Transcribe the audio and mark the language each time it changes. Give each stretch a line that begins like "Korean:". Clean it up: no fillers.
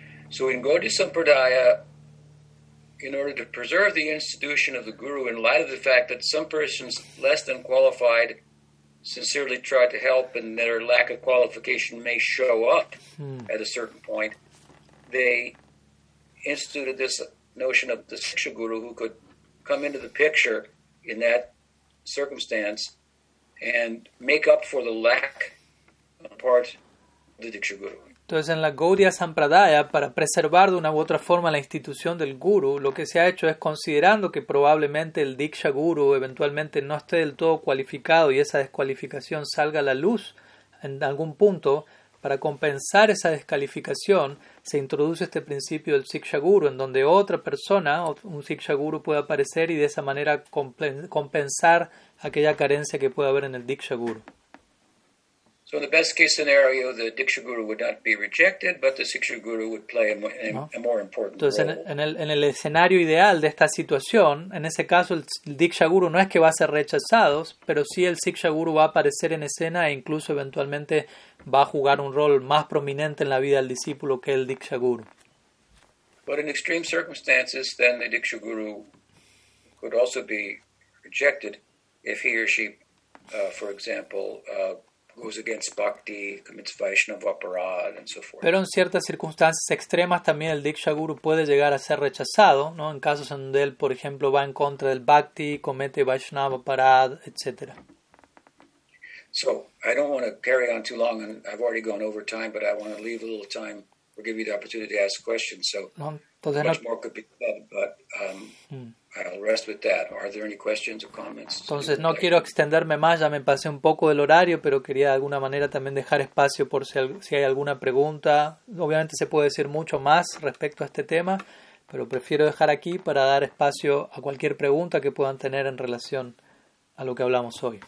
English: So in Gaudiya Sampradaya, in order to preserve the institution of the Guru in light of the fact that some persons less than qualified sincerely try to help and their lack of qualification may show up at a certain point, they instituted this notion of the Siksha Guru who could come into the picture in that circumstance and make up for the lack on part of the Diksha Guru.
Spanish: Entonces, en la Gaudiya Sampradaya, para preservar de una u otra forma la institución del Guru, lo que se ha hecho es, considerando que probablemente el Diksha Guru eventualmente no esté del todo cualificado y esa descualificación salga a la luz en algún punto, para compensar esa descalificación, se introduce este principio del Siksha Guru, en donde otra persona, un Siksha Guru, puede aparecer y de esa manera compensar aquella carencia que puede haber en el Diksha Guru.
English: So in the best case scenario, the Diksha Guru would not be rejected, but the Siksha Guru would play a more important role.
Spanish: Entonces, en el escenario ideal de esta situación, en ese caso el Diksha Guru no es que va a ser rechazado, pero sí el Siksha Guru va a aparecer en escena e incluso eventualmente va a jugar un rol más prominente en la vida del discípulo que el Diksha Guru.
English: But in extreme circumstances, then the Diksha Guru could also be rejected if he or she, for example, goes against bhakti, commits Vaishnava aparad, and so forth.
Spanish: Pero en ciertas circunstancias extremas también el Diksha Guru puede llegar a ser rechazado, ¿no? En casos en donde él, por ejemplo, va en contra del bhakti, comete Vaishnava aparad, etc.
English: So, I don't want to carry on too long, and I've already gone over time, but I want to leave a little time or give you the opportunity to ask questions. So, more could be said, but I'll rest with that. Are there any questions or comments?
Spanish: Entonces, no quiero extenderme más, ya me pasé un poco del horario, pero quería de alguna manera también dejar espacio por si hay alguna pregunta. Obviamente se puede decir mucho más respecto a este tema, pero prefiero dejar aquí para dar espacio a cualquier pregunta que puedan tener en relación a lo que hablamos hoy.